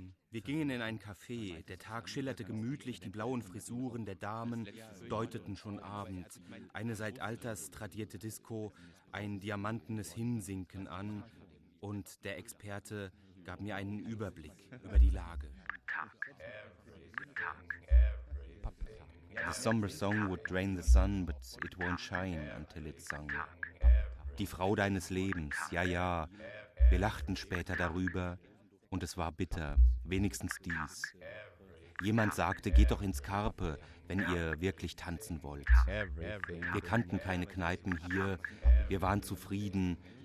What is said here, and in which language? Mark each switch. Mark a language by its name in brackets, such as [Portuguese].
[German] Wir gingen in ein Café, der Tag schillerte gemütlich, die blauen Frisuren der Damen deuteten schon Abend. Eine seit Alters tradierte Disco, ein diamantenes Hinsinken an und der Experte gab mir einen Überblick über die Lage. [English] The summer song would drain the sun, but it won't shine until it's sung. [German] Die Frau deines Lebens, ja, ja, wir lachten später darüber und es war bitter, wenigstens dies. Jemand sagte, geht doch ins Carpe, wenn ihr wirklich tanzen wollt. Wir kannten keine Kneipen hier, wir waren zufrieden.